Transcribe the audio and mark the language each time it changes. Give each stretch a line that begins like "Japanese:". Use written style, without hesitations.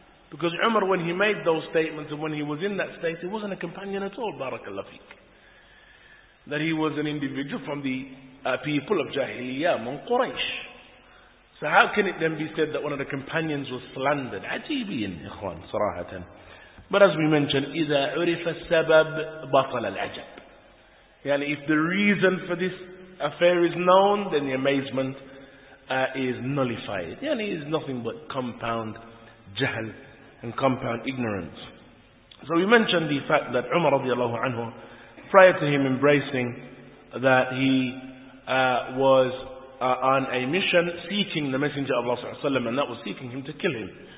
English: Because Umar, when he made those statements and when he was in that state, he wasn't a companion at all, barakallahu feek. That he was an individual from the people of Jahiliyyah among Quraysh. So how can it then be said that one of the companions was slandered?
Arabic: Ajeebiyin, ikhwan, sarahatan.
English: But as we mentioned,
Arabic: إِذَا عُرِفَ السَّبَبْ بَطَلَ الْعَجَبِ.
English: Yani, if the reason for this affair is known, then the amazement is nullified. Yani, it is nothing but compound jahl and compound ignorance. So we mentioned the fact that Umar radiallahu anhu, prior to him embracing that he was on a mission seeking the Messenger of Allah, and that was seeking him to kill him.